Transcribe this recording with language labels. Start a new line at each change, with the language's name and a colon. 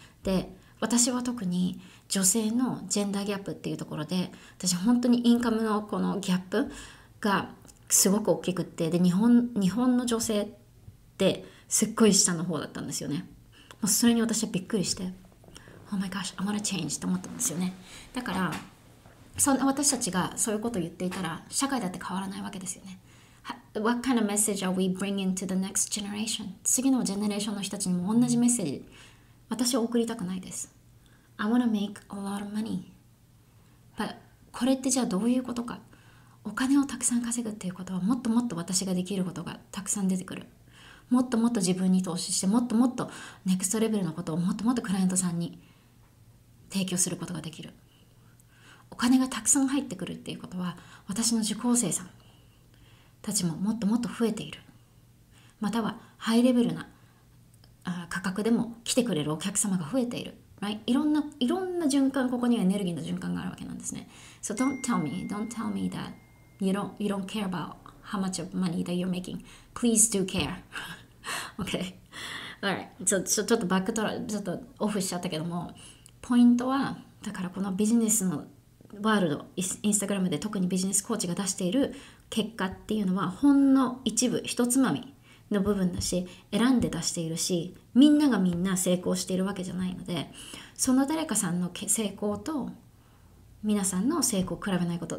Japanese: で私は特に女性のジェンダーギャップっていうところで、私本当にインカムのこのギャップがすごく大きくって、で日本の女性ってすっごい下の方だったんですよね。もうそれに私はびっくりして
English: Oh my gosh, I wanna change
Japanese: と思ったんですよね。だからそんな私たちがそういうことを言っていたら社会だって変わらないわけですよね。
English: What kind of message are we bringing to the next generation?
Japanese: 次のジェネレーションの人たちにも同じメッセージ私は送りたくないです。
English: I wanna make a lot of money.
Japanese: But これってじゃあどういうことか、お金をたくさん稼ぐっていうことはもっともっと私ができることがたくさん出てくる、もっともっと自分に投資して、もっともっとネクストレベルのことをもっともっとクライアントさんに提供することができる、お金がたくさん入ってくるっていうことは私の受講生さんたちももっともっと増えている、またはハイレベルな価格でも来てくれるお客様が増えている、right? いろんな循環、ここにはエネルギーの循環があるわけなんですね。
English: So don't tell me thatYou don't care about how much of money that you're making. Please do care. Okay. Alright.
Japanese: ちょっとオフしちゃったけども、ポイントは、だからこのビジネスのワールド、インスタグラムで特にビジネスコーチが出している結果っていうのはほんの一部、一つまみの部分だし、選んで出しているし、みんながみんな成功しているわけじゃないので、その誰かさんの成功と皆さんの成功を比べないこと。